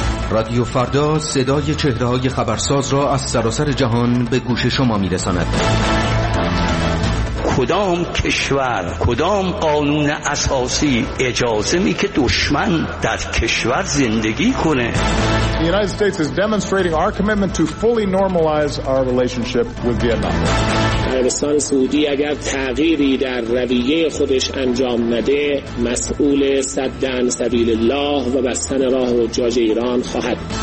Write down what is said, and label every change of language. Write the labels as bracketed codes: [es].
[fa] رادیو فردا صدای چهره‌های خبرساز را از سراسر جهان به گوش شما می‌رساند. کدام کشور، کدام قانون اساسی اجازه می که دشمن در کشور زندگی کنه؟ [en] The United States is demonstrating our commitment to fully normalize our relationship with Vietnam. [fa] عربستان سعودی اگر تغییری در رویه خودش انجام نده مسئول سد سبیل الله و بستن راه حجاج ایران خواهد.